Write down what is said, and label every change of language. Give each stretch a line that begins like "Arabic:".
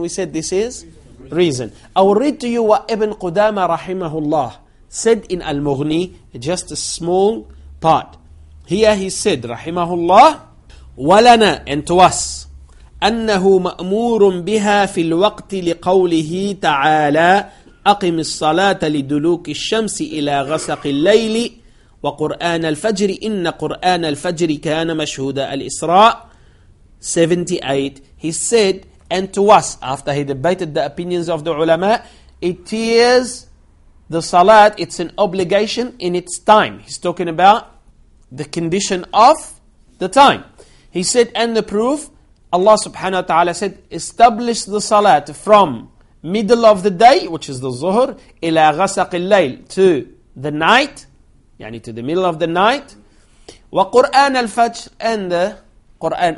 English: We said this is reason. I will read to you what Ibn Qudama rahimahullah said in Al-Mughni, just a small part. Here he said, Rahimahullah,
Arabic: وَلَنَا
English: and to us,
Arabic: أَنَّهُ مَأْمُورٌ بِهَا فِي الْوَقْتِ لِقَوْلِهِ تَعَالَى أَقِمِ الصَّلَاةَ لِدُلُوكِ الشَّمْسِ إِلَى غَسَقِ اللَّيْلِ وَقُرْآنَ الْفَجْرِ إِنَّ قُرْآنَ الْفَجْرِ كَانَ مَشْهُودَ الْإِسْرَاءِ 78.
English: He said, and to us, after he debated the opinions of the ulama, it is the salat, it's an obligation in its time. He's talking about the condition of the time. He said, and the proof, Allah subhanahu wa ta'ala said, establish the salat from middle of the day, which is the zuhr,
Arabic: ila ghasaq al-layl,
English: to the night, yani to the middle of the night,
Arabic: wa Qur'an al-fajr,
English: and the Qur'an.